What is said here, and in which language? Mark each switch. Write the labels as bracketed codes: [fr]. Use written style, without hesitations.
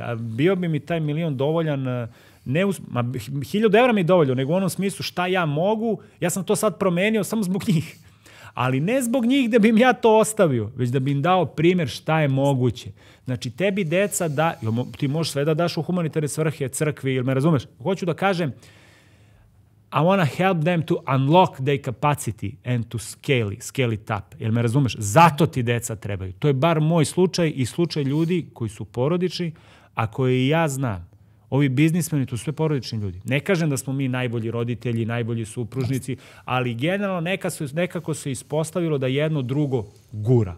[sr] A bio bi mi taj milion dovoljan, ma 1000 evra mi je dovoljno, nego u onom smislu šta ja mogu, ja sam to sad promenio samo zbog njih. Ali ne zbog njih da bih ja to ostavio, već da bih im dao primjer šta je moguće. Znači, tebi deca da, ti možeš sve da daš u humanitarne svrhe, crkvi, jel me razumeš? Hoću da kažem, [en] I want to help them to unlock their capacity and to scale it up. [sr] Jel me razumeš? Zato ti deca trebaju. To je bar moj slučaj i slučaj ljudi koji su porodični, a koje i ja znam. Ovi biznismeni, to su sve porodični ljudi. Ne kažem da smo mi najbolji roditelji, najbolji supružnici, ali generalno nekako se ispostavilo da jedno drugo gura.